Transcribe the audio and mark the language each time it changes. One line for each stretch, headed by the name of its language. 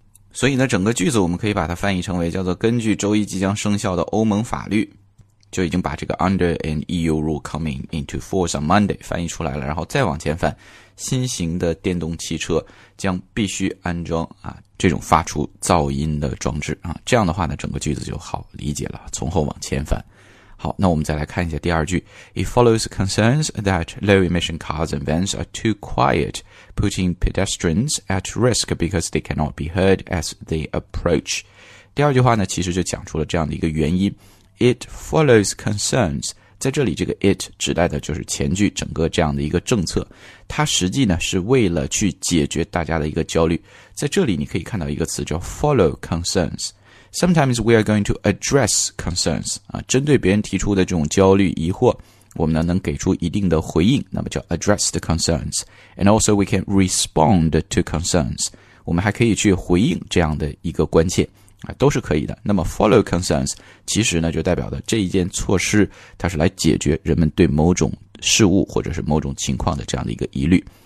Chinese: 所以呢整个句子我们可以把它翻译成为叫做根据周一即将生效的欧盟法律，就已经把这个
English: under an EU rule coming into force on Monday
Chinese: 翻译出来了。然后再往前翻，新型的电动汽车将必须安装啊这种发出噪音的装置啊，这样的话呢整个句子就好理解了，从后往前翻。好，那我们再来看一下第二句。
English: It follows concerns that low emission cars and vans are too quiet, putting pedestrians at risk because they cannot be heard as they approach.
Chinese: 第二句话呢其实就讲出了这样的一个原因。
English: It follows concerns，
Chinese: 在这里这个 it 指代的就是前句整个这样的一个政策，它实际呢是为了去解决大家的一个焦虑。在这里你可以看到一个词叫
English: follow concerns， sometimes we are going to address concerns、
Chinese: 啊、针对别人提出的这种焦虑疑惑，我们呢能给出一定的回应，那么叫
English: address the concerns， and also we can respond to concerns，
Chinese: 我们还可以去回应这样的一个关切都是可以的。那么 follow concerns 其实呢就代表的这一件措施它是来解决人们对某种事物或者是某种情况的这样的一个疑虑。